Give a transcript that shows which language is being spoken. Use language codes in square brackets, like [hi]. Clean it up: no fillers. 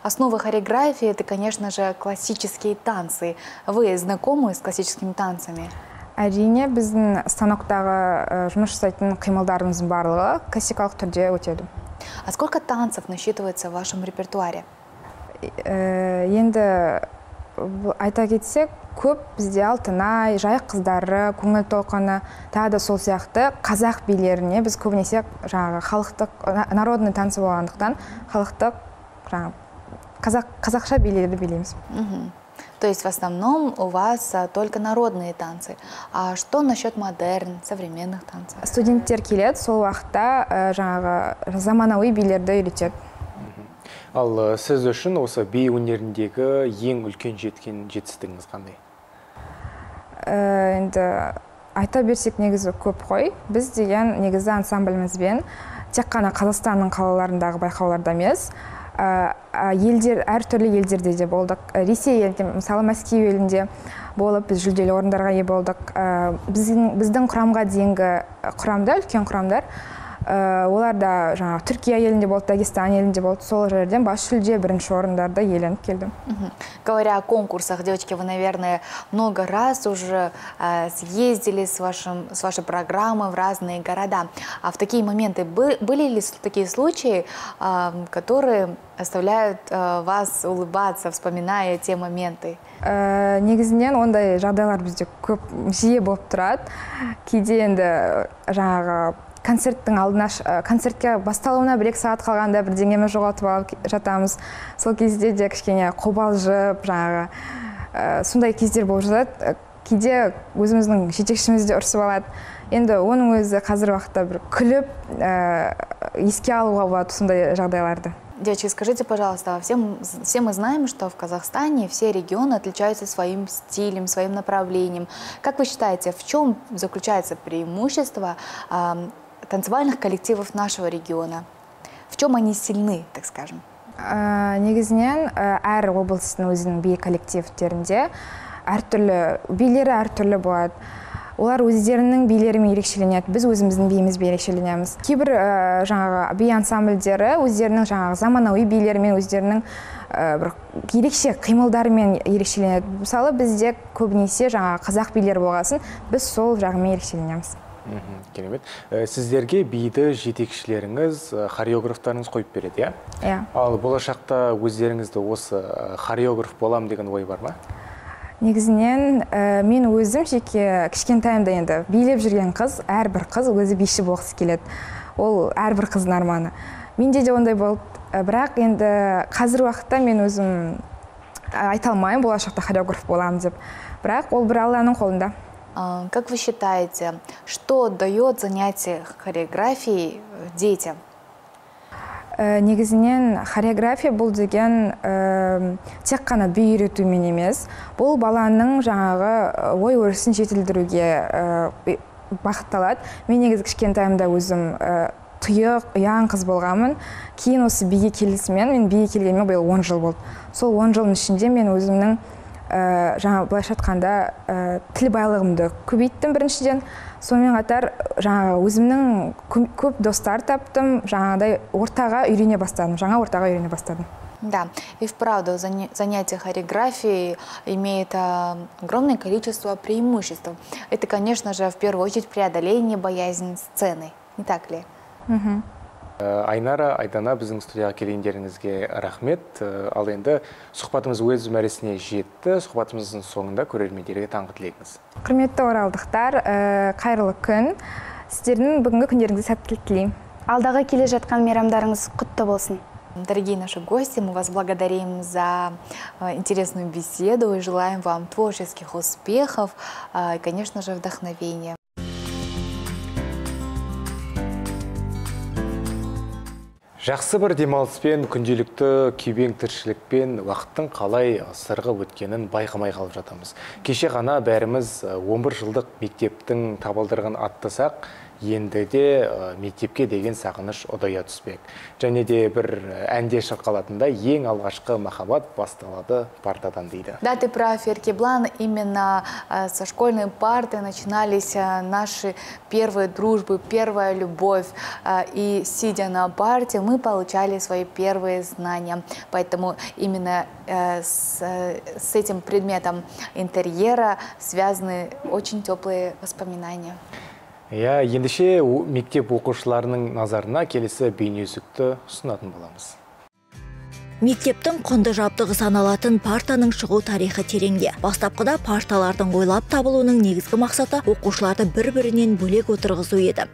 [ru] Основы хореографии – это, конечно же, классические танцы. Вы знакомы с классическими танцами? [kk] Әрине, біздің станоктағы жұмыс жасайтын қимылдарымыздың барлығы классикалық түрде өтеді. [ru] А сколько танцев насчитывается в вашем репертуаре? [kk] Енді айта кетсек, көп бізде Алтынай, Жайық қыздары, Көңіл толқыны, тағы да сол сияқты қазақ билеріне біз көбінесе жаңағы халықтық, [ru] народный танцы [kk] болғандықтан халықтық қазақша билерді білеміз. [ru] То есть в основном у вас только народные танцы. А что насчет модерн, современных танцев? [kk] Студенттер келеді, сол уақытта жаңағы заманауи билерді үйретеді. Ал сіз үшін осы би өнеріндегі ең үлкен жеткен жетістігіңіз қандай? Енді айта берсек негізі көп қой. Біз деген негізі ансамблімізбен тек қана Қазақстанның қалаларындағы байқауларда емес, әртүрлі елдерде де болдық. Ресей елінде, мысалы Мәскеу елінде болып, біз жүлделі орындарға ие болдық. Біздің құрамға дейінгі құрамда, үлкен құрамдар, олар да жаңағы Түркия елінде болды, Дагестан елінде болды, сол жерден бас жүлде бірінші орындарды иеленіп келдім. [ru] Говоря о конкурсах, девочки, вы, наверное, много раз уже съездили с вашей программой в разные города. А в такие моменты были ли такие случаи, которые оставляют вас улыбаться, вспоминая те моменты? [kk] Негізінен ондай жағдайлар бізде көп жиі болып тұрады. Кейде енді жаңағы концертке басталуына 1-2 сағат қалғанда бір деңгемі жоғалтып алып жатамыз. Сол кезде де кішкене қобалжып, жаңағы сондай кездер болып жатады. Кейде өзіміздің жетекшімізде ұрсып алады. Енді оның өзі қазір уақытта бір күліп, еске алуға болады сондай жағдайларды. [ru] Девочки, скажите, пожалуйста, все мы знаем, что в Казахстане все регионы отличаются своим стилем, своим направлением. Как вы считаете, в чем заключается преимущество танцевальных коллективов нашего региона? В чем они сильны, так скажем? [kk] Негізінен, әр облысын өзінің би коллективтерінде әртүрлі, билері әртүрлі болады. Олар өздерінің билерімен ерекшеленеді. Біз өзіміздің биімізбен ерекшеленеміз. Кейбір жаңағы би ансамбльдері өздерінің жаңағы заманауи билерімен өздерінің ерекше қимылдарымен ерекшеленеді. Мысалы, бізде көбінесе жаңағы қазақ билері болғасын, біз сол жағымен ерекшеленеміз. Керемет. Сіздерге биді жетекшілеріңіз, хореографтарыңыз қойып береді, иә? Иә. Ал болашақта өздеріңізді осы хореограф болам деген ой бар ма? Негізінен, мен өзім жеке кішкентайымда енді билеп жүрген қыз, әрбір қыз өзі биші болғысы келеді. Ол әрбір қыздың арманы. Менде де ондай болды. Бірақ енді қазір уақытта мен өзім айта алмаймын болашақта хореограф болам деп. Бірақ ол бір Алланың қолында. [ru] Как вы считаете, что дает занятие хореографией детям? [kk] Негізінен хореография бұл деген тек қана би үйретумен емес. Бұл баланың жаңағы ой өрісін жетілдіруге бақытталады. Мен негізі кішкентайымда өзім тұйық, ұяң қыз болғанмын. Кейін осы биге келісімен, мен биге келгеніме биыл 10 жыл болды. Сол 10 жылдың ішінде мен өзімнің жаңа былайша айтқанда тіл байлығымды көбейттім біріншіден. Сонымен қатар жаңа өзімнің көп достар таптым, жаңағыдай ортаға үйрене бастадым, жаңа ортаға үйрене бастадым. [ru] Да, и вправду занятие хореографией имеет огромное количество преимуществ. Это, конечно же, в первую очередь преодоление боязни сцены, не так ли? Угу. [kk] Айнара, Айдана, біздің студияға келгендеріңізге рахмет. Ал енді сұхбатымыз өз мәресіне жетті. Сұхбатымыздың соңында көрермендерге таңғы тілегіңіз. Құрметті оралдықтар, қайырлы күн. Сіздердің бүгінгі күндеріңізге сәттілік тілеймін. Алдағы келе жатқан мейрамдарыңыз құтты болсын. [ru] Дорогие наши гости, мы вас благодарим за интересную беседу и желаем вам творческих успехов и, конечно же, вдохновения. [kk] Жақсы бір демалыспен, күнделікті күйбең тіршілікпен уақыттың қалай сырғы өткенін байқамай қалып жатамыз. Кеше ғана бәріміз 11 жылдық мектептің табалдырығын аттасақ, енді де мектепке деген сағыныш ұдая түспек. Және де бір әнде шырқалатында ең алғашқы махаббат басталады партадан дейді. [ru] Да, ты прав, Еркеблан, именно со школьной парты начинались наши первые дружбы, первая любовь. И сидя на парте, мы получали свои первые знания. Поэтому именно с этим предметом интерьера связаны очень теплые воспоминания. [kk] Иә, ендіше мектеп оқушыларының назарына келесі бейнеүзікті ұсынатын боламыз. Мектептің құнды жабдығы саналатын партаның шығу тарихы тереңде. Бастапқыда парталардың ойлап табылуының негізгі мақсаты оқушыларды бір-бірінен бөлек отырғызу еді.